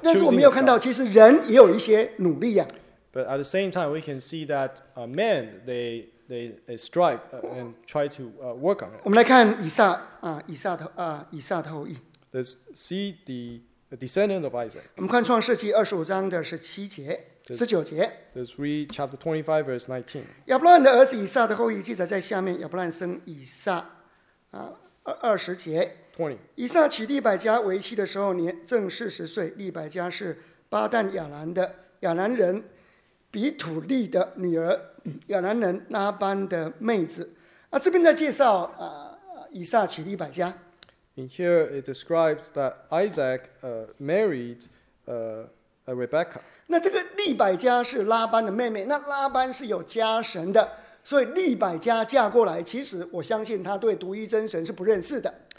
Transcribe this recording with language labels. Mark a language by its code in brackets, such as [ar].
[zh] 但是我们又看到其实人也有一些努力啊。 [en] But at the same time, we can see that men, they strive and try to work on it. [zh] 我们来看以撒啊，以撒的啊，以撒的后裔。 [en] Let's see the descendant of Isaac. [zh] 我们看创世纪二十五章的十七节。十九节。 [en] Let's read chapter 25, verse 19. [zh] 亚伯拉罕的儿子以撒的后裔记载在下面。亚伯拉罕生以撒，二十节。 [en] 20. [zh] 以撒娶利百加为妻的时候，年正四十岁。利百加是巴旦亚兰的亚兰人比土利的女儿，亚兰人拉班的妹子。这边在介绍以撒娶利百加。 [en] In here, it describes that Isaac married Rebecca. [zh] 那这个利百加是拉班的妹妹，那拉班是有家神的，所以利百加嫁过来，其实我相信她对独一真神是不认识的。